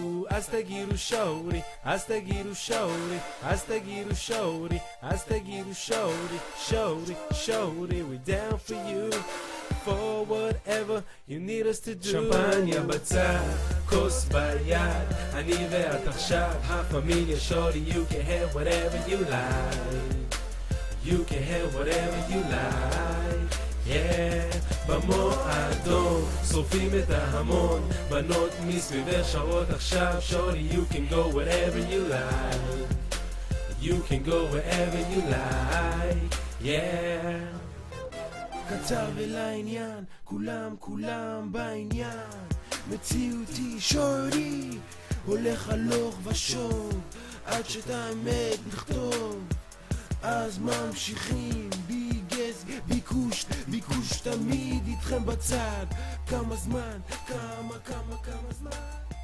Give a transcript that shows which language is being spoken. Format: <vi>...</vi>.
<he>אז תגידו שורי, אז תגידו שורי, אז תגידו שורי, אז תגידו שורי, שורי, שורי,</he> <en>we down for you, for whatever you need us to do.</en> <he>שמפניה בצד, כוס ביד, אני ואת עכשיו הפמיליה שורי.</he> <en>You can have whatever you like, you can have whatever you like, yeah.</en> <he>במועדון שורפים את ההמון, בנות מסביבי שעות עכשיו שורי.</he> <en>You can go wherever you like, you can go wherever you like, yeah.</en> <he>קצר ולעניין, כולם כולם בעניין, מציאותי שורי, הולך הלוך ושוב, עד שאת האמת נכתוב. אז ממשיכים ביגז, ביקוש, ביקוש תמיד איתכם בצד, כמה זמן, כמה כמה כמה זמן.</he>